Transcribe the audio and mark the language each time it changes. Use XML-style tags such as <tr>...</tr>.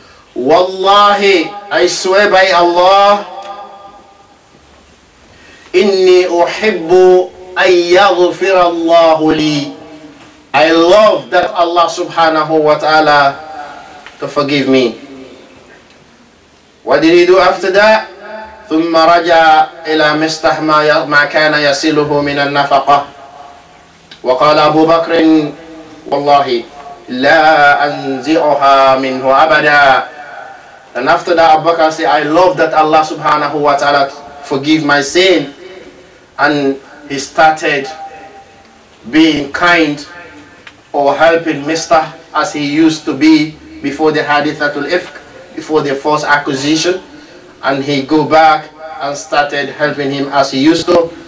<ar>Wallahi,</ar> <en>I swear by Allah,</en> <ar>Inni uhibbu an yaghfira Allahu li.</ar> <en>I love that Allah</en> <ar>subhanahu wa ta'ala</ar> <en>to forgive me. What did he do after that?</en> <ar>ثم رجع إلى مستح ما كان يسيله من النفقة وقال أبو بكر والله لا أنزعها منه أبدا.</ar> <en>And after that Abu Bakr said, I love that Allah</en> <ar>subhanahu wa ta'ala</ar> <en>forgive my sin, and he started being kind or helping Mistah as he used to be before the</en> <ar>hadithatul ifk,</ar> <en>before the false accusation, and he go back and started helping him as he used to.</en>